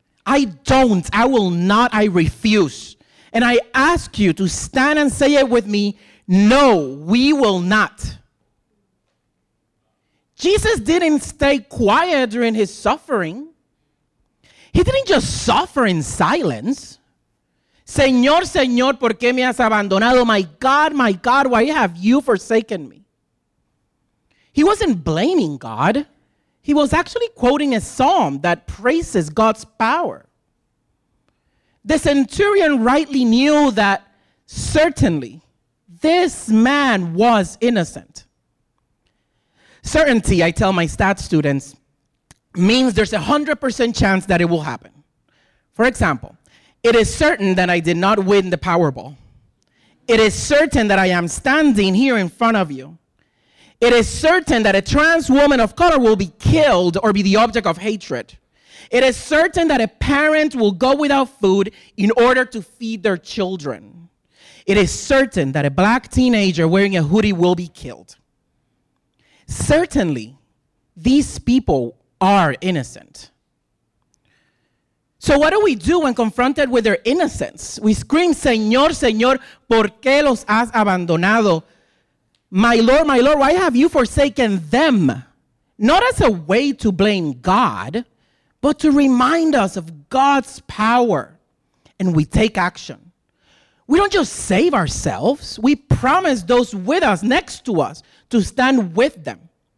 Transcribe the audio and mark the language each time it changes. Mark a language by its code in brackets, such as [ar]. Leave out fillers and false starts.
[en] I don't. I will not. I refuse. And I ask you to stand and say it with me. No, we will not. Jesus didn't stay quiet during his suffering. He didn't just suffer in silence. [es] Señor, Señor, ¿por qué me has abandonado? [en] My God, why have you forsaken me? He wasn't blaming God. He was actually quoting a psalm that praises God's power. The centurion rightly knew that certainly this man was innocent. Certainty, I tell my stats students, means there's a 100% chance that it will happen. For example, it is certain that I did not win the Powerball. It is certain that I am standing here in front of you. It is certain that a trans woman of color will be killed or be the object of hatred. It is certain that a parent will go without food in order to feed their children. It is certain that a black teenager wearing a hoodie will be killed. Certainly, these people are innocent. So what do we do when confronted with their innocence? We scream, [es] Señor, Señor, ¿por qué los has abandonado? [en] My Lord, why have you forsaken them? Not as a way to blame God, but to remind us of God's power. And we take action. We don't just save ourselves. We promise those with us, next to us, to stand with them.